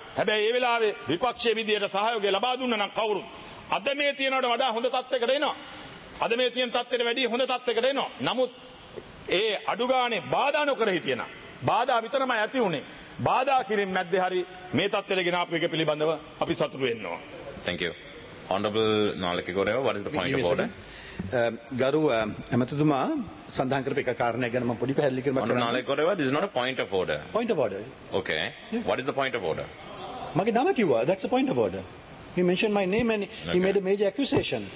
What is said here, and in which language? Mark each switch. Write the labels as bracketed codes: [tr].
[si] හැබැයි ඒ වෙලාවේ විපක්ෂයේ විදියට සහයෝගය ලබා දුන්න නම් කවුරුත්. අද මේ තියෙනවට වඩා හොඳ තත්ත්වයකට එනවා. අද මේ තියෙන තත්ත්වෙට වැඩිය හොඳ තත්ත්වයකට එනවා. නමුත් ඒ අඩුගානේ බාධා නොකර හිටියනම් බාධා විතරමයි ඇති උනේ. බාධා කිරීම මැද්දේ හරි මේ තත්ත්වෙට ගෙන ආපු එක පිළිබඳව අපි සතුටු වෙනවා. [en] Thank you. Honorable Nalakigore, what is the point of order? [si] ගරු ඇමතිතුමා සඳහන් කරපු එක කාරණයක් ගැන මම පොඩි පැහැදිලි කිරීමක් කරන්න. [en] Honorable Nalakigore, this is not a point of order. Point of order. Okay. Yeah. What is the point of order? [si] මගේ නම කිව්වා. [en] That's a point of order. He mentioned my name and he okay. made a major accusation.